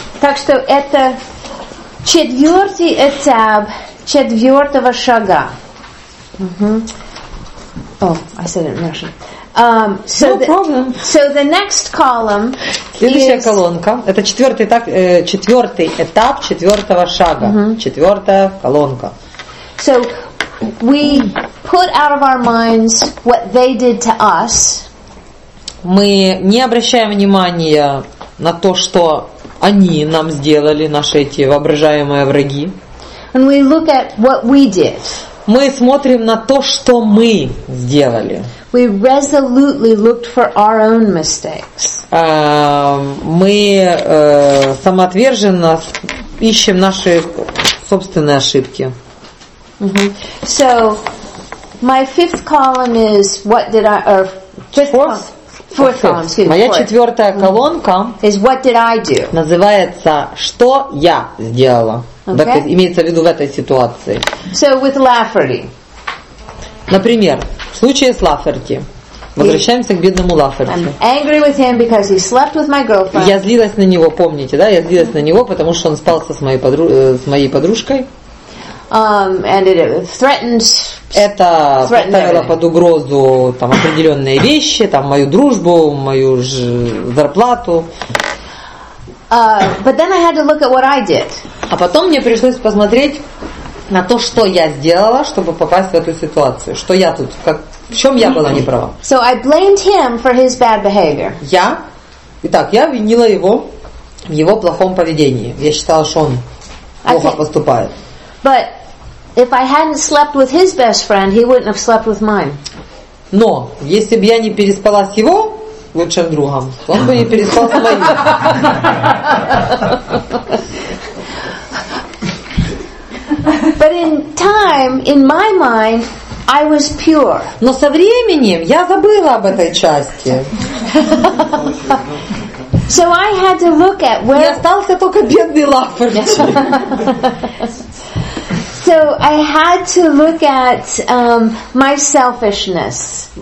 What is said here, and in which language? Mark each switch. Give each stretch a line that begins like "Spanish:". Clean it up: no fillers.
Russian: Так что это четвертый этап четвертого шага.
English: I said it in Russian. So the next column.
Russian: Следующая колонка. Это четвертый этап четвертого шага. Четвертая колонка.
English: So we put out of our minds what they did to us.
Russian: Мы не обращаем внимания на то, что они нам сделали, наши эти воображаемые враги.
English: And we look at what we did.
Russian: Мы смотрим на то, что мы сделали.
English: We resolutely looked for our own mistakes.
Russian: Мы самоотверженно ищем наши собственные ошибки.
English: So, my fifth column is what did I or fourth column.
Russian: Моя четвертая колонка
English: is what did I do.
Russian: Называется что я сделала.
English: Okay.
Russian: Так, имеется в виду в этой ситуации.
English: So with Lafferty.
Russian: Например, в случае с Лафферти. Возвращаемся к бедному Лафферти.
English: I'm angry with him because he slept with my girlfriend.
Russian: Я злилась на него, помните, да? Я злилась на него, потому что он спал с моей подружкой.
English: And it threatens.
Russian: Это поставило под угрозу там определенные вещи, там мою дружбу, мою зарплату.
English: But then I had to look at what I did.
Russian: А потом мне пришлось посмотреть на то, что я сделала, чтобы попасть в эту ситуацию. Что я тут, в чем я была неправа.
English: So I blamed him for his bad behavior.
Russian: Я винила его в его плохом поведении. Я считала, что он плохо поступает.
English: But if I hadn't slept with his best friend, he wouldn't have slept with mine.
Russian: Но если бы я не переспала с его лучшим другом, он бы не переспал с моим.
English: But in time, in my mind, I was pure.
Russian: Но со временем я забыла об этой части.
English: So I had to look at where.
Russian: И остался только бедный Лафферти.
English: So I had to look at my selfishness.